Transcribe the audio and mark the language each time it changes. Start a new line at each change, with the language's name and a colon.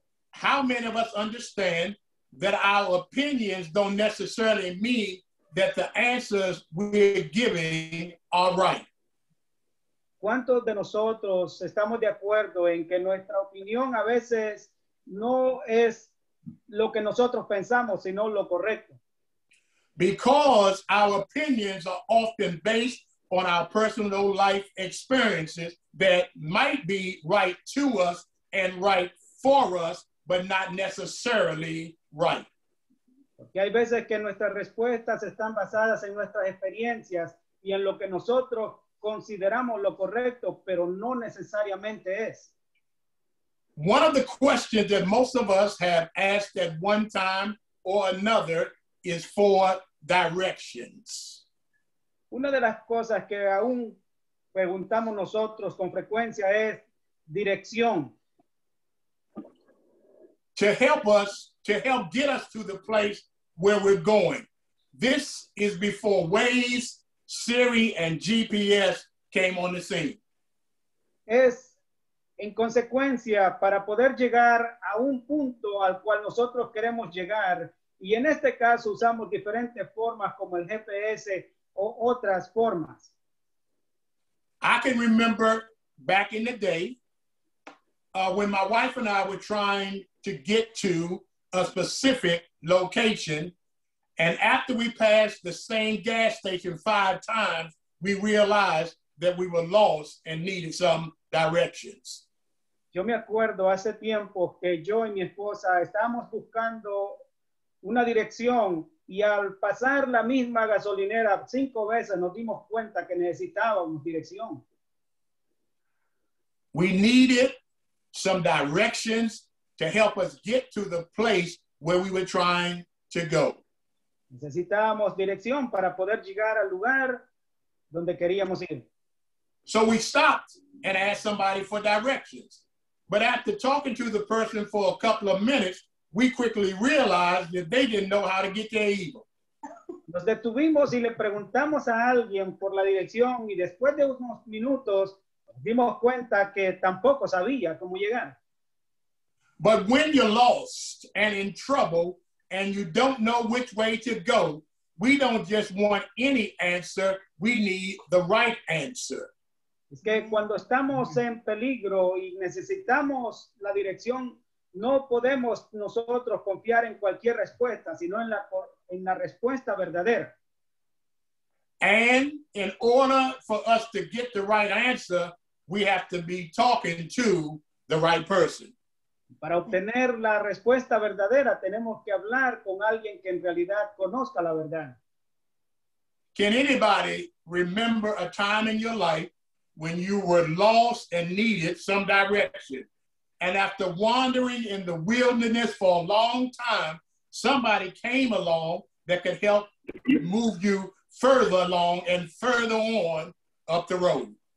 English: How many of us understand that our opinions don't necessarily mean that the answers we're giving are right?
Spanish: ¿Cuántos de nosotros estamos de acuerdo en que nuestra opinión a veces no es lo que nosotros pensamos, sino lo correcto?
English: Because our opinions are often based on our personal life experiences that might be right to us and right for us, but not necessarily right.
Spanish: Porque hay veces que nuestras respuestas están basadas en nuestras experiencias y en lo que nosotros consideramos lo correcto, pero no necesariamente es.
English: One of the questions that most of us have asked at one time or another is for directions.
Spanish: Una de las cosas que aún preguntamos nosotros con frecuencia es dirección.
English: To help get us to the place where we're going. This is before Waze, Siri, and GPS came on the scene.
Spanish: es en consecuencia para poder llegar a un punto al cual nosotros queremos llegar. Y en este caso usamos diferentes formas como el GPS o otras formas.
English: I can remember back in the day when my wife and I were trying to get to a specific location, and after we passed the same gas station 5 times, we realized that we were lost and needed some directions.
Spanish: Yo me acuerdo hace tiempo que yo y mi esposa estábamos buscando una dirección, y al pasar la misma gasolinera 5 veces nos dimos cuenta que necesitábamos dirección.
English: We needed some directions to help us get to the place where we were trying to go.
Spanish: Necesitábamos dirección para poder llegar al lugar donde queríamos ir.
English: So we stopped and asked somebody for directions. But after talking to the person for a couple of minutes, we quickly realized that they didn't know how to get there either.
Spanish: Nos detuvimos y le preguntamos a alguien por la dirección, y después de unos minutos dimos cuenta que tampoco sabía cómo llegar.
English: But when you're lost and in trouble and you don't know which way to go, we don't just want any answer, we need the right answer.
Spanish: Es que cuando estamos en peligro y necesitamos la dirección, no podemos nosotros confiar en cualquier respuesta, sino en la respuesta verdadera.
English: And in order for us to get the right answer, we have to be talking to the right person.
Spanish: Para obtener la respuesta verdadera, tenemos que hablar con alguien que en realidad conozca la verdad.
English: Can anybody remember a time in your life when you were lost and needed some direction? And after wandering in the wilderness for a long time, somebody came along that could help move you further along and further on up the road.